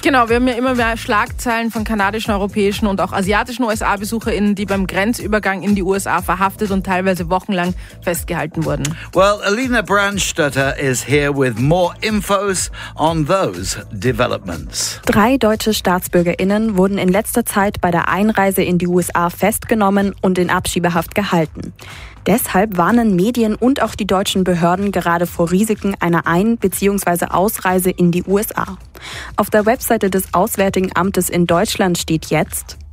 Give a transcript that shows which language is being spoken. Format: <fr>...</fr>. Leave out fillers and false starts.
<de>Genau, wir haben ja immer mehr Schlagzeilen von kanadischen, europäischen und auch asiatischen USA-BesucherInnen, die beim Grenzübergang in die USA verhaftet und teilweise wochenlang festgehalten wurden.</de> <en>Well, Alina Brandstetter is here with more infos on those developments.</en> <de>Drei deutsche StaatsbürgerInnen wurden in letzter Zeit bei der Einreise in die USA festgenommen und in Abschiebehaft gehalten. Deshalb warnen Medien und auch die deutschen Behörden gerade vor Risiken einer Ein- bzw. Ausreise in die USA. Auf der Webseite des Auswärtigen Amtes in Deutschland steht jetzt:</de>